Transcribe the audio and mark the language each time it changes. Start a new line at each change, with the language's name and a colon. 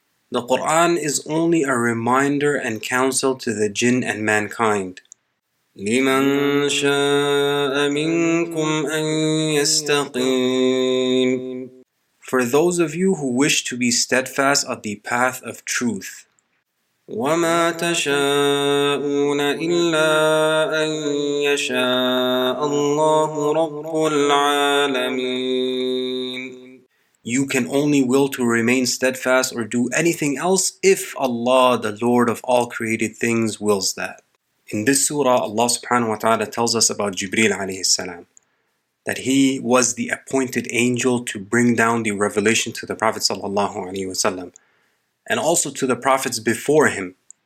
English: The Quran is only a reminder and counsel to the jinn and mankind.
Arabic: لمن شاء منكم أن يستقيم.
English: For those of you who wish to be steadfast on the path of truth.
Arabic: وما تشاءون إلا أن يشاء الله رب العالمين.
English: You can only will to remain steadfast or do anything else if Allah, the Lord of all created things, wills that. In this surah, Allah subhanahu wa ta'ala tells us about Jibreel alayhi salam, that he was the appointed angel to bring down the revelation to the Prophet sallallahu alayhi wa sallam, and also to the prophets before him.